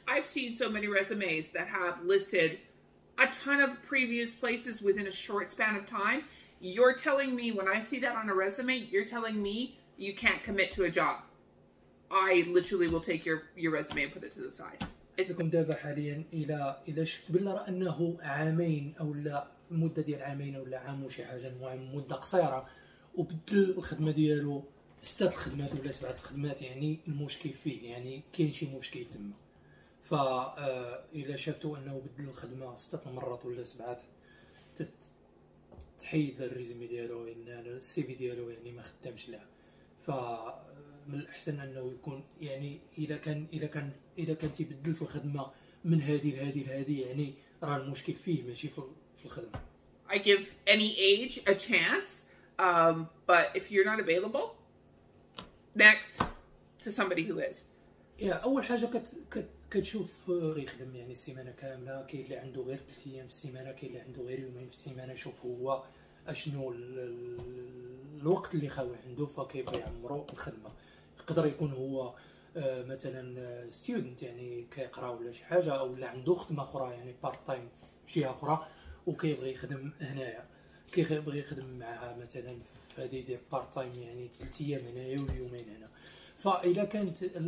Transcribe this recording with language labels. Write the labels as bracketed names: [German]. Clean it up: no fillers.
[English] I've seen so many resumes that have listed a ton of previous places within a short span of time. You're telling me, when I see that on a resume, you're telling me you can't commit to a job. I literally will take your resume and put it to the side. It's [Arabic] دابا حاليا الى شفت بالله انه عامين او لا مدة ديال عامين ولا عام وشي حاجة المهم مدة قصيرة وبدل الخدمة ديالو 6 الخدمات ولا 7 الخدمات يعني المشكل فيه يعني كاين شي مشكل تما فا إلا شفتوا أنه بدل الخدمة 6 مرات ولا 7 تحيد الريزمي ديالو إن السي في ديالو يعني ما خدامش لها فمن الأحسن أنه يكون يعني إذا كان تبدل في الخدمة من هذه لهذه لهذه يعني راه المشكل فيه ماشي في [English] I give any age a chance, but if you're not available, next to somebody who is. Yeah, [Arabic] أول حاجة كتشوف يخدم يعني السيمانة كاملة كي اللي عنده غير 3 أيام في السيمانة كي اللي عنده غير 2 أيام في السيمانة شوف هو أشنو الوقت اللي خاوي عنده فكيف يعمرو الخدمة يقدر يكون هو مثلا student يعني كيقرأ ولا شي حاجة أو اللي عنده خدمة أخرى يعني part time في شيء أخرى وكيبغي يخدم هنايا كيبغي يخدم معها مثلا في هذه ديال بار تايم يعني 3 أيام هنايا ويومين هنا فإذا كانت